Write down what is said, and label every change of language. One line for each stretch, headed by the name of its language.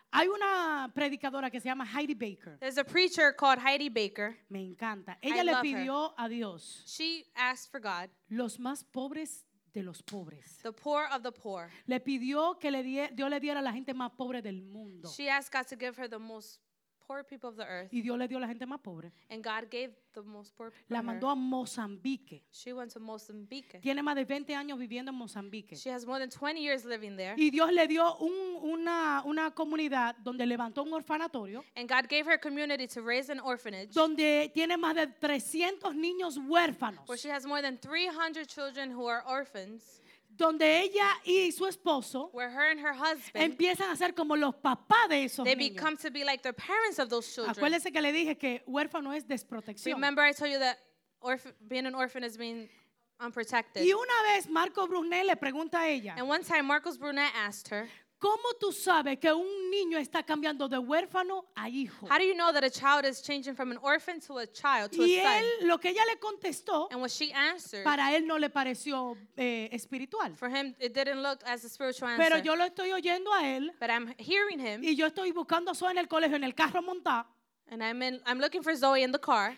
Spanish: hay una predicadora que se llama Heidi Baker.
English: There's a preacher called Heidi Baker.
Spanish: Me encanta. Ella le pidió a Dios.
English: She asked for God.
Spanish: Los más pobres de los pobres.
English: The poor of the poor.
Spanish: Le pidió que le Dios le diera a la gente más pobre del mundo.
English: She asked God to give her the most poor people of the earth.
Spanish: Y Dios le dio a la gente más pobre.
English: And God gave the most poor people.
Spanish: La mandó a Mozambique.
English: She went to Mozambique.
Spanish: Tiene más de 20 años viviendo en Mozambique.
English: She has more than 20 years living there.
Spanish: Y Dios le dio una comunidad donde levantó un orfanatorio.
English: And God gave her a community to raise an orphanage.
Spanish: Donde tiene más de 300 niños huérfanos.
English: Where she has more than 300 children who are orphans.
Spanish: Donde ella y su esposo
English: husband,
Spanish: empiezan a ser como los papás de esos
English: they
Spanish: niños.
English: They become to be like their parents of those children.
Spanish: Acuérdese que le dije que huérfano es desprotección.
English: Remember I told you that being an orphan is being unprotected.
Spanish: Y una vez Marco Brunet le pregunta a ella.
English: And one time Marcos Brunet asked her.
Spanish: ¿Cómo tú sabes que un niño está cambiando de huérfano a hijo?
English: How do you know that a child is changing from an orphan to a child, to
Spanish: y
English: a
Spanish: él,
English: son?
Spanish: Y lo que ella le contestó,
English: and what she answered,
Spanish: para él no le pareció espiritual.
English: For him, it didn't look as a spiritual answer.
Spanish: Pero yo lo estoy oyendo a él.
English: But I'm hearing him.
Spanish: Y yo estoy buscando a Zoe en el colegio, en el carro montado.
English: And I'm looking for Zoe in the car.